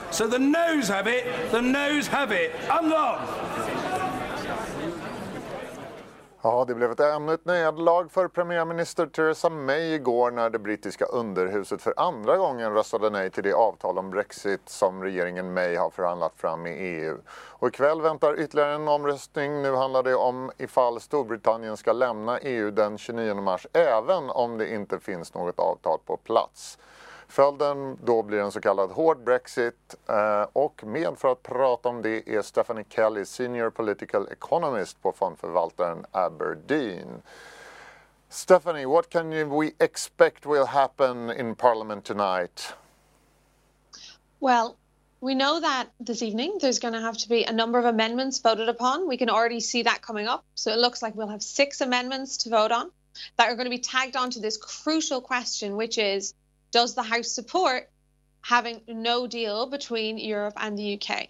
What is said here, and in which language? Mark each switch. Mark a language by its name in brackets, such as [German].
[English] So the nose have it, the nose have it. Unlock! [Swedish] Ja, det blev ett ännu ett nederlag för premiärminister Theresa May igår när det brittiska underhuset för andra gången röstade nej till det avtal om Brexit som regeringen May har förhandlat fram i EU. Och ikväll väntar ytterligare en omröstning. Nu handlar det om ifall Storbritannien ska lämna EU den 29 mars, även om det inte finns något avtal på plats. Följden då blir en så kallad hård Brexit, och med för att prata om det är Stephanie Kelly, Senior Political Economist på fondförvaltaren Aberdeen. [English] Stephanie, what can we expect will happen in Parliament tonight? Well, we know that this evening there's going to have to be a number of amendments voted upon. We can already see that coming up, so it looks like we'll have 6 amendments to vote on that are going to be tagged on to this crucial question, which is, does the House support having no deal between Europe and the UK?